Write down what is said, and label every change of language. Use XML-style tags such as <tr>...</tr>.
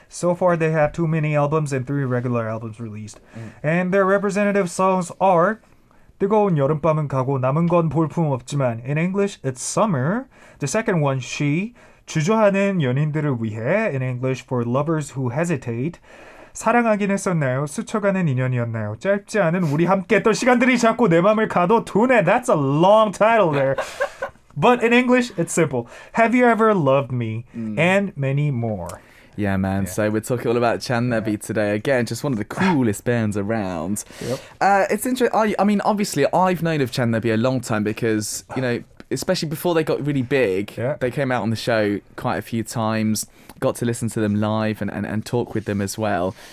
<en>So far, they have two mini albums and three regular albums released. And their representative songs are 뜨거운 여름밤은 가고 남은 건 볼품 없지만, in English, it's summer. The second one, She, 주저하는 연인들을 위해, in English, for lovers who hesitate.</en> <ko>사랑하긴 했었나요? 스쳐가는 인연이었나요? 짧지 않은 우리 함께했던 시간들이 자꾸 내 맘을 가둬 두네.</ko> <en>That's a long title there. But in English, it's simple. Have you ever loved me? And many more. Yeah, man. Yeah. So we're talking all about Chanthavi today. Again, just one of the coolest bands around. Yep. It's interesting. I mean, obviously, I've known of Chanthavi a long time because, you know, especially before they got really big, they came out on the show quite a few times, got to listen to them live and talk with them as well.</en>